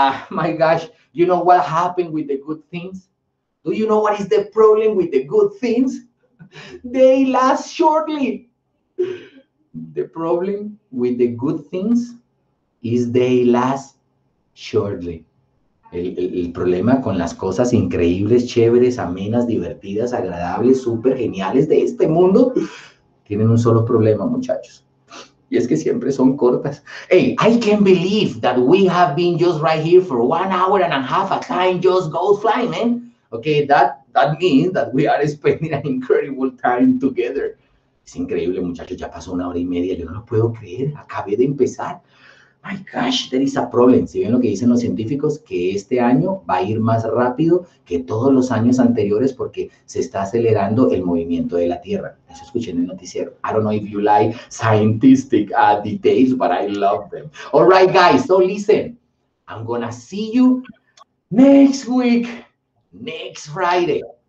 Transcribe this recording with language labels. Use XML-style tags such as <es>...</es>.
<en>My gosh, you know what happened with the good things? Do you know what is the problem with the good things? They last shortly. The problem with the good things is they last shortly.</en> <es>El problema con las cosas increíbles, chéveres, amenas, divertidas, agradables, súper geniales de este mundo, tienen un solo problema, muchachos. Y es que siempre son cortas.</es> <en>Hey, I can't believe that we have been just right here for 1.5 hours. A time just goes flying, man. Okay, that means that we are spending an incredible time together.</en> <es>Es increíble, muchachos. Ya pasó 1.5 hours. Yo no lo puedo creer. Acabé de empezar.</es> <en>My gosh, there is a problem.</en> <es>Si ven lo que dicen los científicos, que este año va a ir más rápido que todos los años anteriores porque se está acelerando el movimiento de la Tierra. Eso escuché en el noticiero.</es> <en>I don't know if you like scientific details, but I love them. All right, guys, so listen. I'm gonna see you next week, next Friday.</en>